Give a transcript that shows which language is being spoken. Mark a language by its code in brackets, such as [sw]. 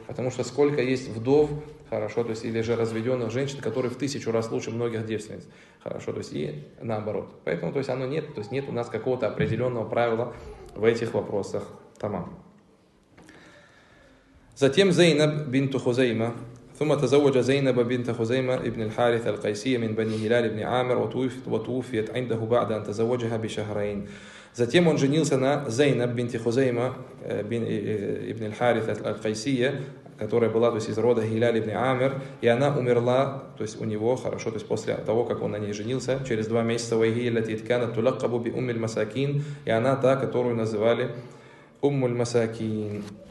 [ru] Потому что сколько есть вдов, хорошо, то есть или же разведенных женщин, которые в тысячу раз лучше многих девственниц. Хорошо, то есть и наоборот. Поэтому то есть оно нет, то есть нет у нас какого-то определенного правила в этих вопросах. Тамам. Затем Зейнаб бинту Хузейма. [ar] ثم تزوج زينب بنت خزيمة ابن الحارث القيسية من بني هلال ابن عامر وتوفيت عنده بعد أن تزوجها بشهرين. [ru] Затем он женился на Зейнаб бинт Хузейма ибн аль-Харис аль-Кайсия, которая была, то есть, из рода Хилаль ибн Амир, и она умерла, то есть, у него, хорошо, то есть, после того, как он на ней женился, через два месяца, [ar] وَيْهِيَ الَّتِي اتْكَانَتْ تُلَقَّبُ بِأُمِّ الْمَسَاكِينَ, [ru] и она та, которую называли أُمُّ الْمَسَاكِينَ.